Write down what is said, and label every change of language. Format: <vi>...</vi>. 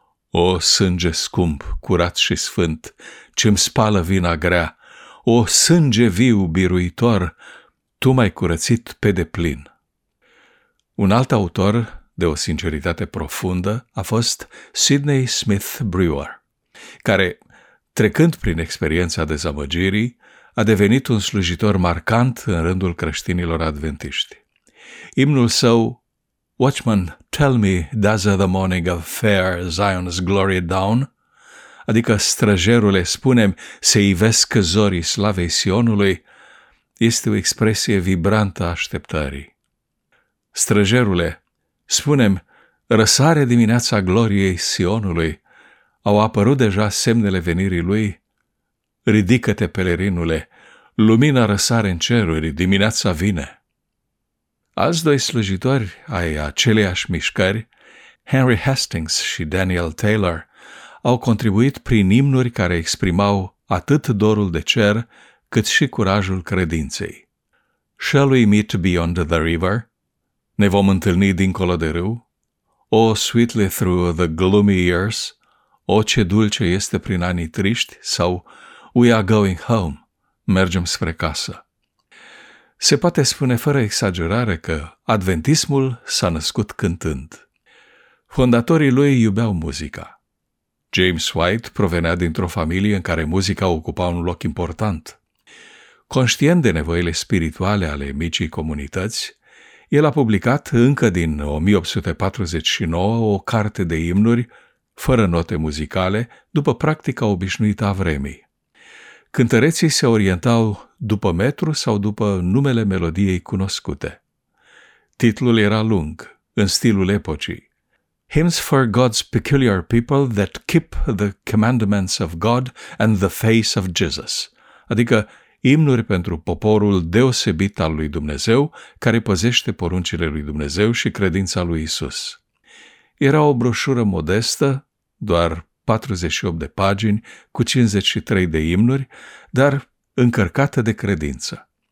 <ro>O, sânge scump, curat și sfânt, ce-mi spală vina grea, o, sânge viu, biruitor, Tu m-ai curățit pe deplin. Un alt autor de o sinceritate profundă a fost Sidney Smith Brewer, care, trecând prin experiența dezamăgirii, a devenit un slujitor marcant în rândul creștinilor adventiști. Imnul său,</ro> <en>Watchman, tell me, does the morning of fair Zion's glory dawn?</en> <ro>Adică, străjerule, spunem, se ivesc zorii slavei Sionului, este o expresie vibrantă a așteptării. Străjerule, spunem, răsare dimineața gloriei Sionului, au apărut deja semnele venirii lui, ridică-te, pelerinule, lumina răsare în ceruri, dimineața vine. Alți doi slujitori ai aceleiași mișcări, Henry Hastings și Daniel Taylor, au contribuit prin imnuri care exprimau atât dorul de cer, cât și curajul credinței.</ro> <en>Shall we meet beyond the river?</en> <ro>Ne vom întâlni dincolo de râu?</ro> <en>Oh, sweetly through the gloomy years?</en> <ro>Oh, ce dulce este prin anii triști? Sau</ro> <en>we are going home,</en> <ro>mergem spre casă. Se poate spune fără exagerare că adventismul s-a născut cântând. Fondatorii lui iubeau muzica. James White provenea dintr-o familie în care muzica ocupa un loc important. Conștient de nevoile spirituale ale micii comunități, el a publicat încă din 1849 o carte de imnuri fără note muzicale, după practica obișnuită a vremii. Cântăreții se orientau după metru sau după numele melodiei cunoscute. Titlul era lung, în stilul epocii.</ro> <en>Hymns for God's peculiar people that keep the commandments of God and the face of Jesus.</en> <ro>Adică imnuri pentru poporul deosebit al lui Dumnezeu, care păzește poruncile lui Dumnezeu și credința lui Isus. Era o broșură modestă, doar 48 de pagini, cu 53 de imnuri, dar încărcată de credință.</ro>